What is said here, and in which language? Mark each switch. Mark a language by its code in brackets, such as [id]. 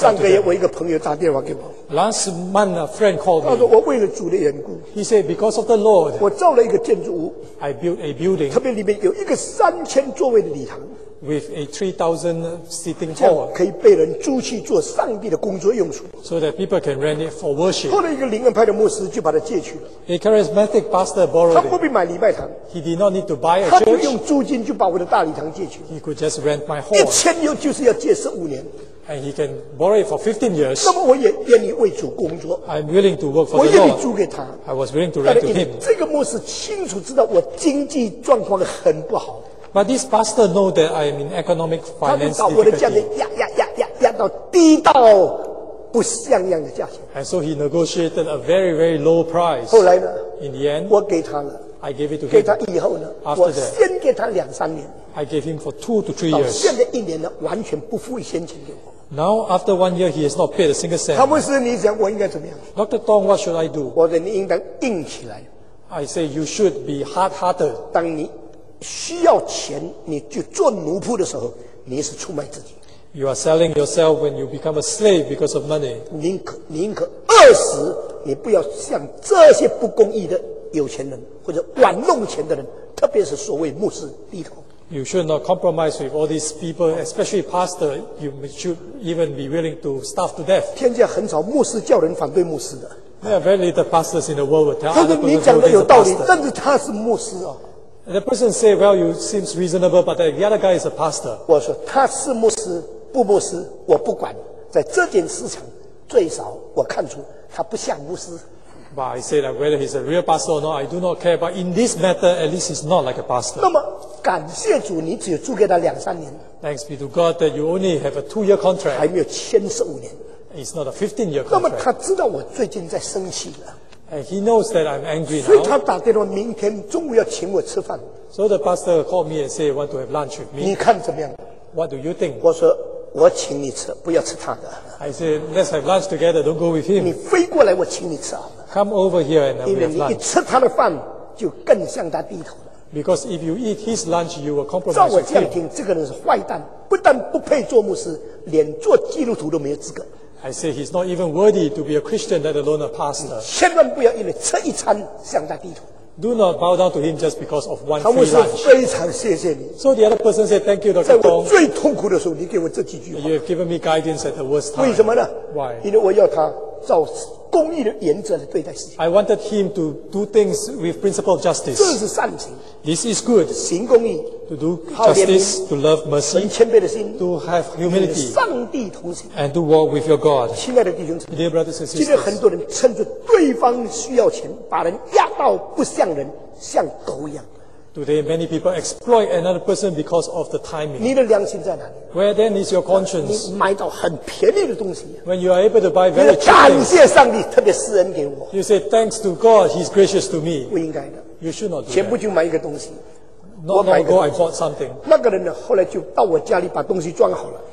[zh] 上个月我一个朋友打电话给我。 [en] Last month, a friend called me. [zh] 他说我为了主的缘故。 [en] He said because of the Lord. [zh] 我造了一个建筑物。 [en] I built a building. [zh] 特别里面有一个3000座位的礼堂。 [en] With a 3,000 seating hall. [zh] 可以被人租去做上帝的工作用处。 [en] So that people can rent it for worship. [zh] 后来一个灵恩派的牧师就把它借去了。 [en] A charismatic pastor borrowed it. [zh] 他不必买礼拜堂。 [en] He did not need to buy a church. [zh] 他不用租金就把我的大礼堂借去了。 [en] He could just rent my hall. [zh] 一千又就是要借15年。 [en] And he can borrow it for 15 years. [zh] 那么我也愿意为主工作。 [en] I'm willing to work for the Lord. [zh] 我愿意租给他。 [en] I was willing to rent to him. [zh] 这个牧师清楚知道我经济状况很不好。 [en] But this pastor know that I am in economic finance difficulty. [zh] 他就把我的价格压到低到不像样的价钱。 [en] And so he negotiated a very very low price. [zh] 后来呢？ [en] In the end, [zh] 我给他了。 [en] I gave it to him. [zh] 给他以后呢？ [en] After that, [zh] 我先给他两三年。 [en] I gave him for 2 to 3 years. [zh] 到现在一年了，完全不付先前给我。 [en] Now after 1 year, he has not paid a single cent. [zh] 他不是你讲我应该怎么样 [en] ？Dr. Tong, what should I do? [zh] 我说你应当硬起来。 [en] I say you should be hard-hearted. [zh] 当你需要钱，你就做奴仆的时候，你是出卖自己。 [en] You are selling yourself when you become a slave because of money. [zh] 宁可饿死，也不要像这些不公义的有钱人或者玩弄钱的人，特别是所谓牧师低头。 [en] You should not compromise with all these people, especially pastor. You should even be willing to starve to death. [zh] 天下很少牧师叫人反对牧师的。 [en] There are very little pastors in the world that tell other people to [zh] 他说你讲的有道理，但是他是牧师啊。 [en] The person say, "Well, you seems reasonable, but the other guy is a pastor." [zh] 我说他是牧师不牧师，我不管。在这件事情，最少我看出他不像牧师。 [en] But I say that whether he's a real pastor or not, I do not care. But in this matter, at least he's not like a pastor. [zh] 那么感谢主，你只有租给他两三年。 [en] Thanks be to God that you only have a 2 year contract. [zh] 还没有签十五年。 [en] It's not a 15 year contract. [zh] 那么他知道我最近在生气了。 [en] And he knows that I'm angry now. [zh] 所以他打电话明天中午要请我吃饭。 [en] So the pastor called me and said, "Want to have lunch with me?" [zh] 你看怎么样 [en] ？What do you think? [zh] 我说我请你吃，不要吃他的。 [en] I said, "Let's have lunch together. Don't go with him." [zh] 你飞过来，我请你吃。 [en] Come over here and we'll have lunch. [zh] 因为你一吃他的饭，就更向他低头了。 [en] Because if you eat his lunch, you will compromise him. [zh] 照我这样听，这个人是坏蛋，不但不配做牧师，连做基督徒都没有资格。 [en] I say he's not even worthy to be a Christian, let alone a pastor. [zh] 千万不要因为吃一餐向他低头。 [en] Do not bow down to him just because of one free lunch. [zh] 他们说非常谢谢你。 [en] So the other person said, "Thank you, Dr. Tong." [zh] 在我最痛苦的时候，你给我这几句话。 [en] You have given me guidance at the worst time. [zh] 为什么呢 [en] ？Why? [zh] 因为我要他照公义的原则来对待事情。 [en] I wanted him to do things with principle of justice. [zh] 这是善行。 [en] This is good. [zh] 行公义。 [en] To do justice, to love mercy, [zh] 很谦卑的心, [en] to have humility, [zh] 与上帝同行, [en] and to walk with your God. [zh] 亲爱的弟兄姊妹, [en] dear brothers and sisters, [zh] 今天很多人趁着对方需要钱, 把人压到不像人, 像狗一样。 [en] Today, many people exploit another person because of the timing. [zh] 你的良心在哪里? [en] Where then is your conscience? [zh] 你买到很便宜的东西, [en] when you are able to buy very cheap things, [zh] 感谢上帝特别施恩给我。 [en] You say, "Thanks to God, He's gracious to me." [zh] 不应该的。 [en] You should not do that. [zh] 全部就买一个东西。 [en] Not long ago, I bought something. [zh] 那个人呢？后来就到我家里把东西装好了。